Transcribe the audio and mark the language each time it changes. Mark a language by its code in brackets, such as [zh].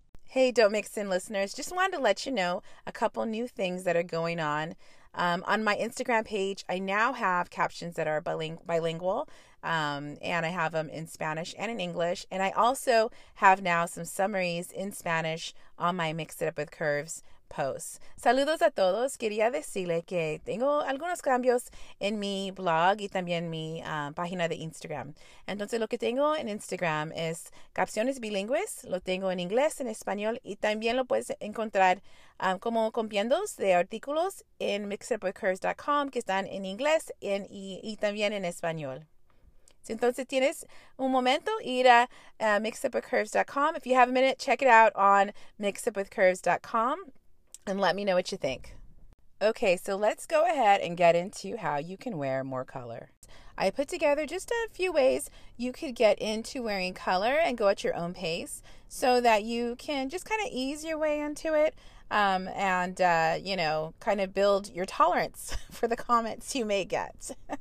[en] Hey, Don't Mix In listeners, just wanted to let you know a couple new things that are going on. On my Instagram page, I now have captions that are bilingual, and I have them in Spanish and in English. And I also have now some summaries in Spanish on my Mix It Up With Curves posts. [es] Saludos a todos. Quería decirle que tengo algunos cambios en mi blog y también mi página de Instagram. Entonces, lo que tengo en Instagram es capciones bilingües. Lo tengo en inglés, en español, y también lo puedes encontrar como compiendos de artículos en mixedupwithcurves.com que están en inglés y también en español. Entonces, tienes un momento, ir a mixedupwithcurves.com. [en] If you have a minute, check it out on mixedupwithcurves.com. And let me know what you think. Okay, so let's go ahead and get into how you can wear more color. I put together just a few ways you could get into wearing color and go at your own pace so that you can just kind of ease your way into it kind of build your tolerance for the comments you may get.